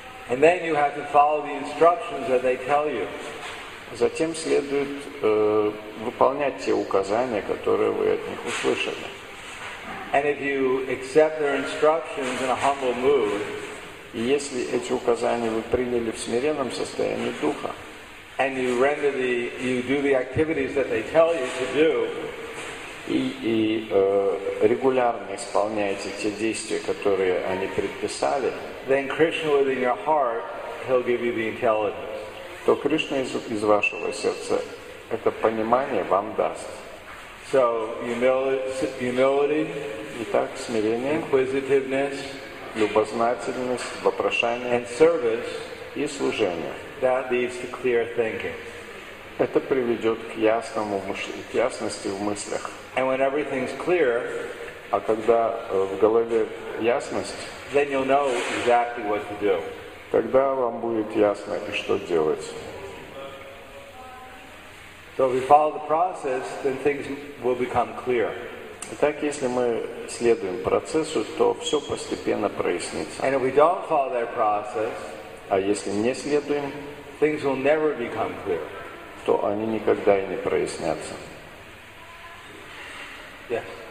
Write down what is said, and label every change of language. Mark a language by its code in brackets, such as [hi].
[en] And then you have to follow the instructions that they tell you. [ru] Затем следует выполнять те указания, которые вы от них услышали. [en] And if you accept their instructions in a humble mood, [ru] и если эти указания вы приняли в смиренном состоянии духа, [en] and you do the activities that they tell you to do, [ru] и регулярно исполняете те действия, которые они предписали, [en] then Krishna within your heart, he'll give you the intelligence. [ru] То Кришна из вашего сердца это понимание вам даст. [en] So humility, [ru] итак, смирение, [en] inquisitiveness, [ru] любознательность, вопрошание, [en] and service, [ru] и служение. [en] That leads to clear thinking. [ru] Это приведет к ясному мышлению, к ясности в мыслях. [en] And when everything's clear, [ru] а когда в голове ясность, [en] then you'll know exactly what to do. [ru] Тогда вам будет ясно, и что делать. [en] So if we follow the process, then things will become clear. [ru] Итак, если мы следуем процессу, то все постепенно прояснится. [en] And if we don't follow that process, [ru] а если не следуем, [en] things will never become clear. [ru] То они никогда и не прояснятся. [en] Yes.